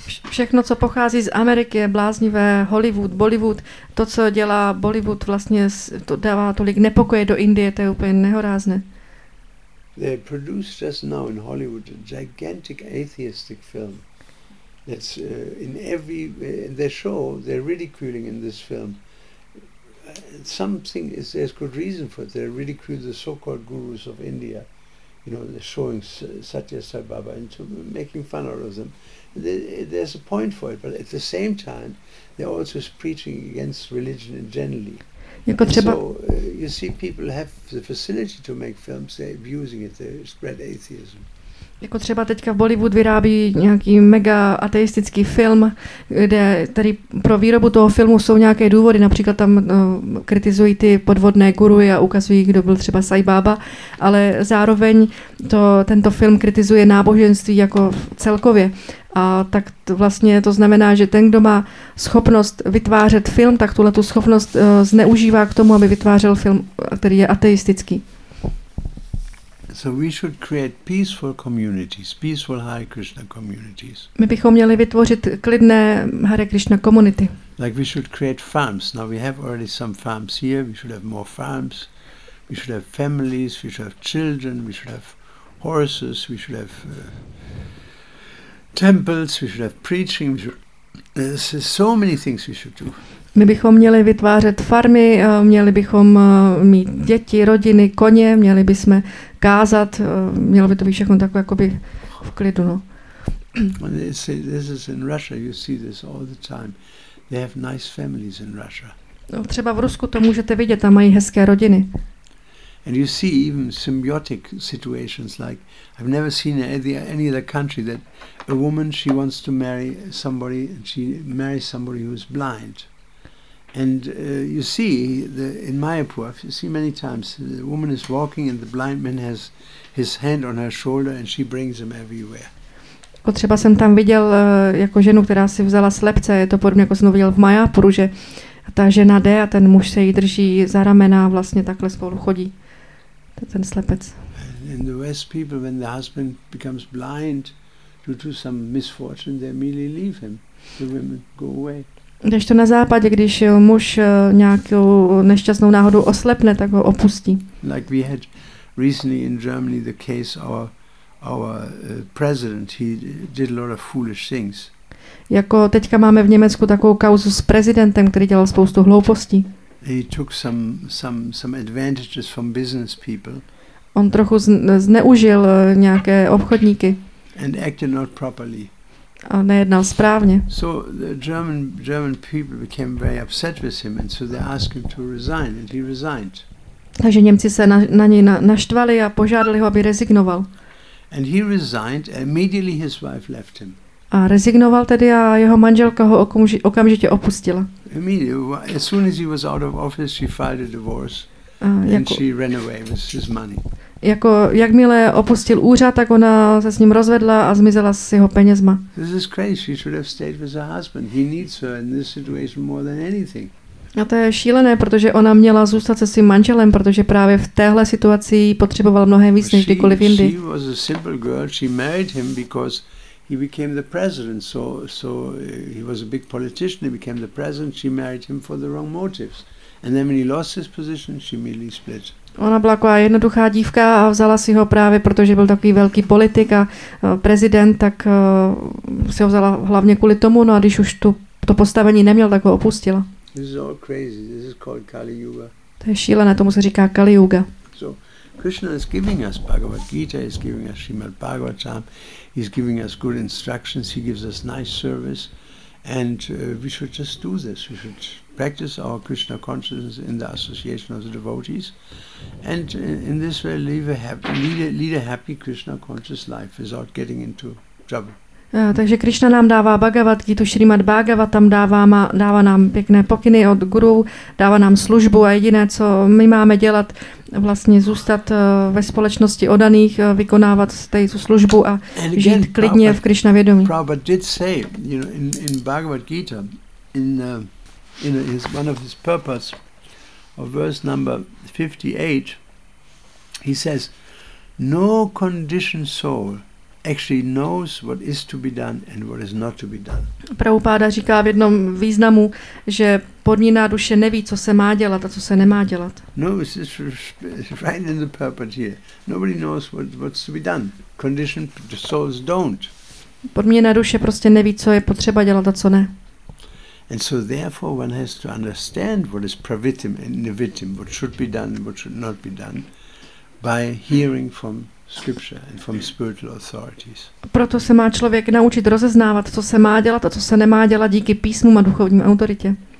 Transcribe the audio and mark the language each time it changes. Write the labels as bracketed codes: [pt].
[cs] Všechno, co pochází z Ameriky, je bláznivé. Hollywood, Bollywood, to, co dělá Bollywood, vlastně to dává tolik nepokoje do Indie, to je úplně nehorázné. [en] They produce just now in Hollywood a gigantic atheistic film. That's in every their show, they're ridiculing in this film. Something is there's good reason for it. They ridicule the so-called gurus of India. You know, they're showing Satya Sai Baba and making fun out of them. There's a point for it, but at the same time, they're also preaching against religion in generally. [cs] Jako třeba, [en] so you see, people have the facility to make films. They're abusing it. They spread atheism. [cs] Jako třeba teďka v Bollywood vyrábí nějaký mega ateistický film, kde tady pro výrobu toho filmu jsou nějaké důvody, například tam kritizují ty podvodné guruji a ukazují, kdo byl třeba Sai Baba, ale zároveň tento film kritizuje náboženství jako celkově. A tak to vlastně to znamená, že ten, kdo má schopnost vytvářet film, tak tuhle tu schopnost zneužívá k tomu, aby vytvářel film, který je ateistický. [en] So we should create peaceful communities, peaceful Hare Krishna communities. [cs] My bychom měli vytvořit klidné Hare Krishna community. [en] Like we should create farms. Now we have already some farms here. We should have more farms. We should have families. We should have children. We should have horses. We should have temples. We should have preaching. There's so many things we should do. [cs] My bychom měli vytvářet farmy, měli bychom mít děti, rodiny, koně, měli bychom kázat, mělo by to být všechno takové jakoby v klidu. No. [en] When they say this is in Russia, you see this all the time. They have nice families in Russia. [cs] No, třeba v Rusku to můžete vidět, tam mají hezké rodiny. [en] And you see even symbiotic situations, like I've never seen any other country that a woman, she wants to marry somebody, and she marries somebody who is blind. And you see the in Mayapur, you see many times the woman is walking and the blind man has his hand on her shoulder and she brings him everywhere. [cs] Třeba jsem tam viděl jako ženu, která si vzala slepce, je to podobně, jako jsem to viděl v Mayapuru, že ta žena jde a ten muž se jí drží za ramena a vlastně takhle spolu chodí. To je ten slepec. [en] In the West people, when the husband becomes blind due to some misfortune, they immediately leave him. The women go away. [cs] Když to na západě, když muž nějakou nešťastnou náhodou oslepne, tak ho opustí. [en] Like we had recently in Germany the case our president, he did a lot of foolish things. [cs] Jako teďka máme v Německu takovou kauzu s prezidentem, který dělal spoustu hloupostí. [en] He took some advantages from business people. [cs] On trochu zneužil nějaké obchodníky. [en] And acted not properly. [cs] A nejednal správně. [en] So the German people became very upset with him, and so they asked him to resign, and he resigned. [cs] Takže Němci se na něj naštvali a požádali ho, aby rezignoval. [en] And he resigned, immediately his wife left him. [cs] A rezignoval tedy a jeho manželka ho okamžitě opustila. [en] Immediately, as soon as he was out of office, she filed a divorce, and she ran away with his money. [cs] Jako jakmile opustil úřad, tak ona se s ním rozvedla a zmizela s jeho penězma. [en] This is crazy. She should have stayed with her husband. He needs her in this situation more than anything. [cs] A to je šílené, protože ona měla zůstat se svým manželem, protože právě v téhle situaci potřebovala mnohem víc než kdykoliv jindy. [en] She was a simple girl. She married him because he became the president. So he was a big politician. He became the president. She married him for the wrong motives. And then when he lost his position, she immediately split. [cs] Ona byla taková jednoduchá dívka a vzala si ho právě, protože byl takový velký politik a prezident, tak si ho vzala hlavně kvůli tomu, no a když už to postavení neměl, tak ho opustila. [en] This is all crazy. This is called Kali Yuga. [cs] To je šílené, tomu se říká Kali Yuga. [en] So Krishna is giving us Bhagavad Gita, he's giving us Srimad Bhagavatam, he's giving us good instructions, he gives us nice service, and we should just do this. We should practice our Krishna consciousness in the association of the devotees, and in this way lead a happy Krishna conscious life without getting into trouble. [cs] Takže Krishna nám dává Bhagavad Gita, Srimad Bhagavatam, dává nám pěkné pokyny od guru, dává nám službu a jediné, co my máme dělat, vlastně zůstat ve společnosti odaných, vykonávat tady tu službu a žít klidně v Krishna vědomí. [en] Prabhupada did say, you know, in Bhagavad Gita, in his, one of his purpose of verse number 58, he says, no conditioned soul actually knows what is to be done and what is not to be done. [cs] Prabhupada říká v jednom významu, že podmíněná duše neví, co se má dělat a co se nemá dělat. [en] No, it's right in the purport here. Nobody knows what's to be done. Conditioned souls don't. [cs] Podmíněná duše prostě neví, co je potřeba dělat a co ne. [en] And so therefore one has to understand what is pravitim and nivitim, what should be done and what should not be done, by hearing from scripture and from spiritual authorities. [cs] Proto se má člověk naučit rozeznávat, co se má dělat a co se nemá dělat díky písmům a duchovním autoritě.